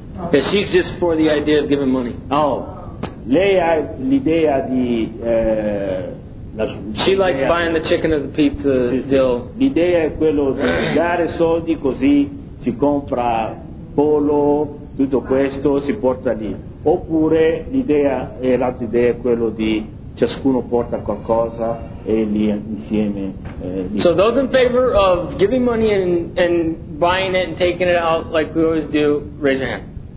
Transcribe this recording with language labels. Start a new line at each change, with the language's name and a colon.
English: Yeah, she's just for the idea of giving money.
Italian: Oh, lei ha l'idea di...
English: She likes buying the chicken or the pizza.
Italian: Sì, sì. L'idea è quello di dare soldi, così si compra pollo, tutto questo si porta lì. Oppure l'idea, e l'altra idea è quello di ciascuno porta qualcosa e lì insieme.
English: So those in favor of giving money and buying it and taking it out like we always do, raise your hand.